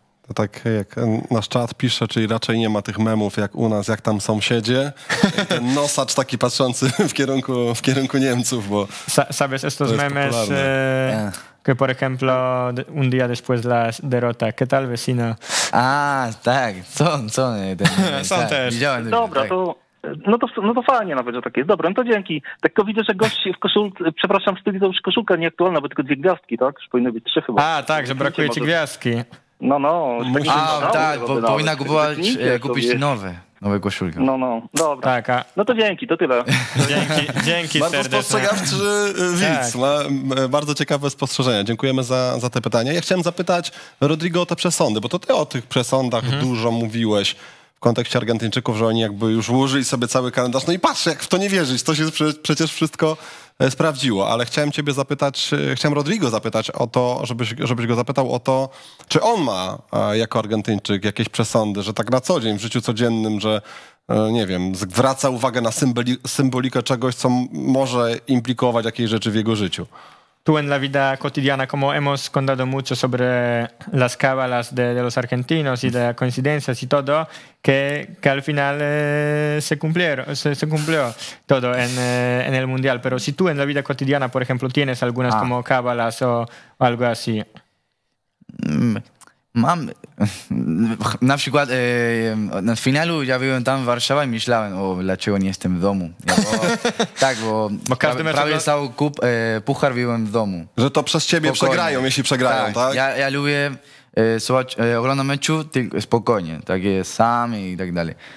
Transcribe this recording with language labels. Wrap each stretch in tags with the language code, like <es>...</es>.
<pl>To tak jak nasz czat pisze, czyli raczej nie ma tych memów jak u nas, jak tam sąsiedzie. Ten nosacz taki patrzący w kierunku Niemców, bo</pl> <es>sabes estos memes, que por ejemplo un día después la derrota, ¿qué tal vecino?</es> <pl>Ah, tak, są są też. Dobra, to No to fajnie nawet, że tak jest. Dobra, no to dzięki. Tak to widzę, że gość w koszulce, przepraszam, w studiu to już koszulka nieaktualna, bo tylko dwie gwiazdki, tak? Już powinny być trzy chyba. A, tak, że brakuje ci gwiazdki. No. Powinna kupować, kupić nowe koszulki. No, dobra. Tak, no to dzięki, to tyle. Dzięki bardzo serdecznie. Bardzo spostrzegawczy widz. Tak. Bardzo ciekawe spostrzeżenia. Dziękujemy za te pytania. Ja chciałem zapytać Rodrigo o te przesądy, bo to ty o tych przesądach dużo mówiłeś w kontekście Argentyńczyków, że oni jakby już ułożyli sobie cały kalendarz. No i patrz, jak w to nie wierzyć, to się przecież wszystko sprawdziło. Ale chciałem ciebie zapytać, chciałem Rodrigo zapytać o to, żebyś go zapytał o to, czy on ma jako Argentyńczyk jakieś przesądy, że tak na co dzień, w życiu codziennym, że nie wiem, zwraca uwagę na symbolikę czegoś, co może implikować jakieś rzeczy w jego życiu.</pl> <es>Tu en la vida cotidiana, como hemos contado mucho sobre las cábalas de los argentinos y de las coincidencias y todo, que al final se cumplió todo en el Mundial. Pero si tú en la vida cotidiana, por ejemplo, tienes algunas como cábalas o algo así.</es> <pl>Mam. Na przykład na finalu ja byłem tam w Warszawie i myślałem, o dlaczego nie jestem w domu. Bo każdy prawie cały puchar byłem w domu. Że to przez ciebie spokojnie. Przegrają, jeśli przegrają, tak? Ja lubię oglądać meczu spokojnie, tak jest sam i tak dalej.</pl>